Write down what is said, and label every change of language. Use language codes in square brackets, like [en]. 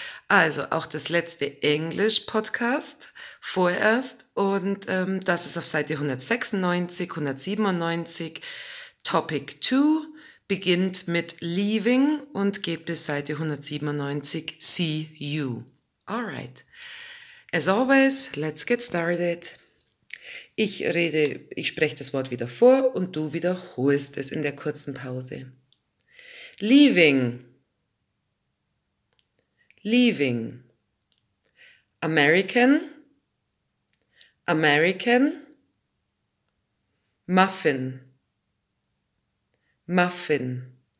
[de] Also auch das letzte Englisch-Podcast vorerst und das ist auf Seite 196, 197. Topic 2 beginnt mit Leaving und geht bis Seite 197, See You. [en] Alright. As always, let's get started. [de] Ich spreche das Wort wieder vor und du wiederholst es in der kurzen Pause. [en] Leaving. Leaving. American. American. Muffin. Muffin.